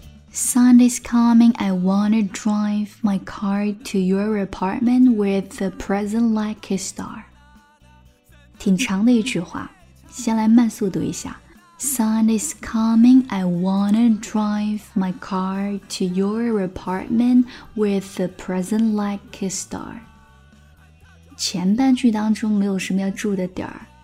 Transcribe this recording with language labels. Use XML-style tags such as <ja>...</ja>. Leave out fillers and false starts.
<en>Sunday's coming, I wanna drive my car to your apartment with a present like a star.</en> <zh>挺长的一句话，先来慢速读一下。</zh> <en>Sunday's coming, I wanna drive my car to your apartment with a present like a star.</en> <zh>前半句当中没有什么要注的点儿。</zh>